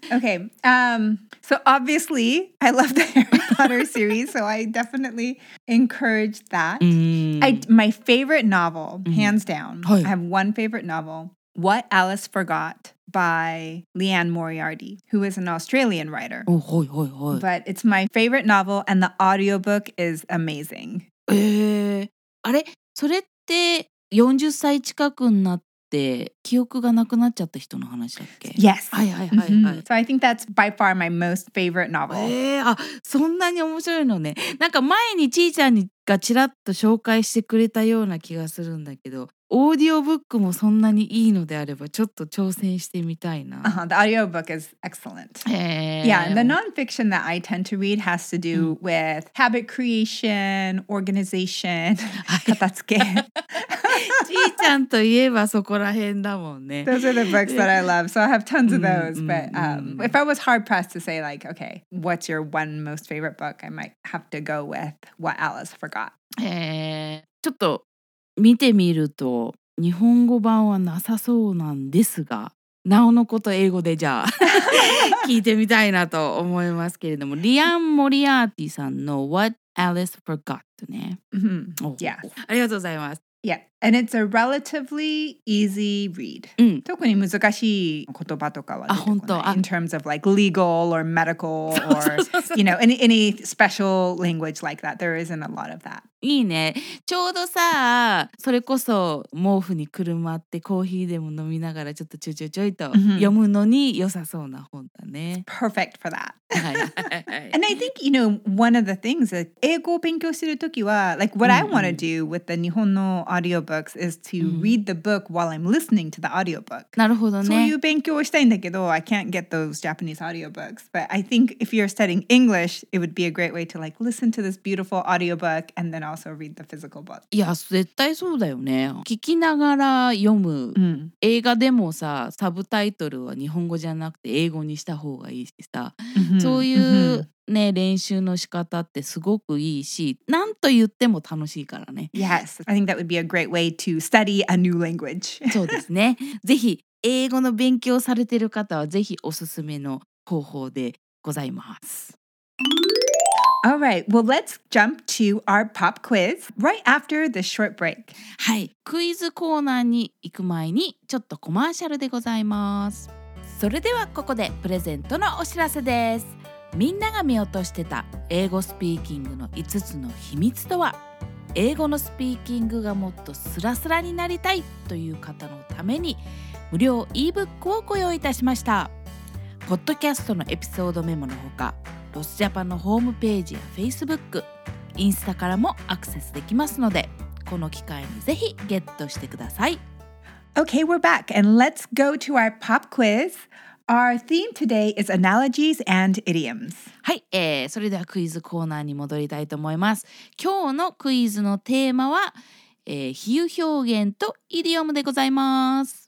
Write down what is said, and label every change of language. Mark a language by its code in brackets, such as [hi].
[en] Okay, so obviously, I love the Harry Potter series, so I definitely encourage that. My favorite novel, hands down, I have one favorite novel, What Alice Forgot. By Leanne Moriarty, who is an Australian writer. Oh, hoi, hoi, hoi. But it's my favorite novel, and the audiobook is amazing. [ja] あれ、それって40歳近くになって記憶がなくなっちゃった人の話だっけ? [en] Yes. [ja] はいはいはい、はい、 [en] So I think that's by far my most favorite novel. [ja] あ、そんなに面白いのね。なんか前にちーちゃんがちらっと紹介してくれたような気がするんだけど。オーディオブックもそんなにいいのであればちょっと挑戦してみたいな。 [en] Uh-huh. The audiobook is excellent. Yeah, and the nonfiction that I tend to read has to do with habit creation, organization, 片付け。 [ja] ちーちゃんといえばそこら辺だもんね。 [en] Those are the books that I love. So I have tons of those. But if I was hard-pressed to say like, okay, what's your one most favorite book? I might have to go with What Alice Forgot. [ja] ちょっと見てみると日本語版はなさそうなんですがなおのこと英語でじゃあ聞いてみたいなと思いますけれどもリアン・モリアーティさんの What Alice Forgot ね、 [en] mm-hmm. oh. yeah. [ja] ありがとうございます [en] Yeah, and it's a relatively easy read、 [ja] うん、特に難しい言葉とかは出てこない [en] in terms of like legal or medical or you know any special language like that there isn't a lot of that [ja] いいね。ちょうどさ、それこそ毛布にくるまってコーヒーでも飲みながらちょっとちょちょちょいと読むのに良さそうな本だね。 [en] It's perfect for that. [ja] はい。 [en] And I think, you know, one of the things that [ja] 英語を勉強するときは、 [en] like what I want to do with the 日本の audiobooks is to read the book while I'm listening to the audiobook. [ja] なるほどね。そういう勉強をしたいんだけど、 [en] I can't get those Japanese audiobooks. But I think if you're studying English, it would be a great way to like listen to this beautiful audiobook and then also read the physical book. [ja] いや、絶対そうだよね。聞きながら読む、うん、映画でもさ、サブタイトルは日本語じゃなくて英語にした方がいいしさ、そういうね、練習の仕方ってすごくいいし、なんと言っても楽しいからね。 [en] Yes, I think that would be a great way to study a new language. [ja] そうですね。ぜひ英語の勉強されてる方はぜひおすすめの方法でございます。 [en] All right, well, let's jump to our pop quiz right after this short break. [ja] はい、クイズコーナーに行く前にちょっとコマーシャルでございます。それではここでプレゼントのお知らせです。みんなが見落としてた英語スピーキングの5つの秘密とは、英語のスピーキングがもっとスラスラになりたいという方のために無料 e-book をご用意いたしました。ポッドキャストのエピソードメモのほか、ロスジャパンのホームページや Facebook、Instagram からもアクセスできますので、この機会にぜひゲットしてください。 [en] Okay, we're back and let's go to our pop quiz. Our theme today is analogies and idioms. [ja] はい、それではクイズコーナーに戻りたいと思います。今日のクイズのテーマは、比喩表現とイディオムでございます。